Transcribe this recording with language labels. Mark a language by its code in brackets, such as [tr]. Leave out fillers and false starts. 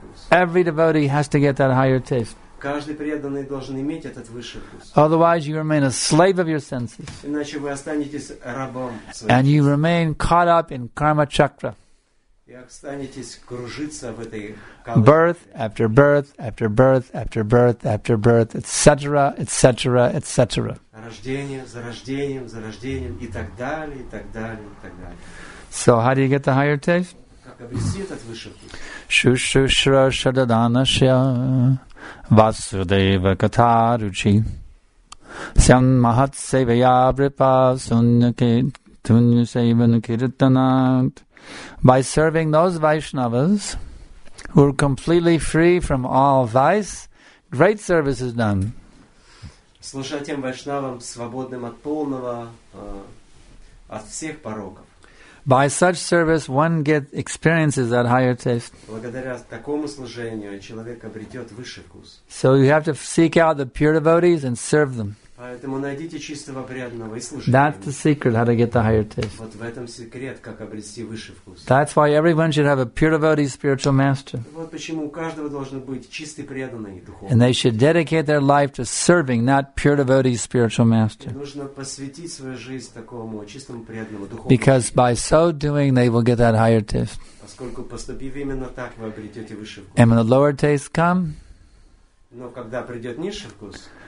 [en] Every devotee has to get that higher taste. [ru] Каждый преданный должен иметь этот высший вкус. [en] Otherwise you remain a slave of your senses. [ru] Иначе вы останетесь рабом своих. [en] And you remain caught up in karma chakra. [ru] И останетесь кружиться в этой калы. [en] Birth after birth after birth after birth after birth, etc., etc., etc. [ru] Рождение за рождением, за рождением и так далее, и так далее, и так далее. [en] So how do you get the higher taste? [ru] Как обрести этот высший вкус? [sa] Шушушра шададанашья. Vasudeva Kataruchi Sam Mahat Seveya Vripa Sunyakitunyasevanukiritanat. [en] By serving those Vaishnavas who are completely free from all vice, great service is done. [ru] Служа тем Вайшнавам, свободным от полного, от всех пороков. [en] By such service, one get experiences that higher taste. [ru] Благодаря такому служению человек обретет высший вкус. [en] So you have to seek out the pure devotees and serve them. [ru] Поэтому найдите чистого преданного и служите. [en] That's the secret how to get the higher taste. [ru] Вот в этом секрет, как обрести высший вкус. [en] That's why everyone should have a pure devotee spiritual master. [ru] Вот почему у каждого должен быть чистый преданный духовный. [en] And they should dedicate their life to serving that pure devotee spiritual master. [ru] Нужно посвятить свою жизнь такому чистому преданному духовному. [en] Because by so doing, they will get that higher taste. [ru] Поскольку поступив именно так, вы обретете высший вкус. [en] And when the lower taste come, [ru] но когда придет низший вкус,